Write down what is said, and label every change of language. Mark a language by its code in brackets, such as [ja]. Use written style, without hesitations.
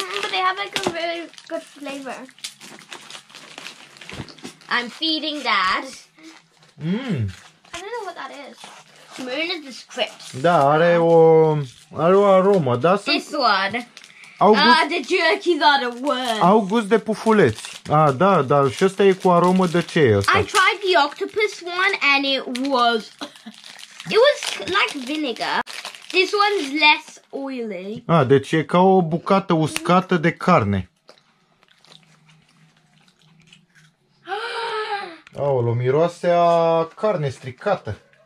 [en] They have like a really good flavor. I'm feeding that. Mmm. I don't know what that is. Moon is the script. [ro] Da, are o, are o aromă, da? [en] This one. [ro] Au gust, [en] ah, the jerky's out of words. [ro] Au gust de pufuleți. Ah, da, dar și ăsta e cu aromă de ce e ăsta? [en] I tried the octopus one and it was... It was like vinegar. This one's less oily. [ro] Ah, deci e ca o bucată uscată de carne. Aolo, miroase a carne stricată.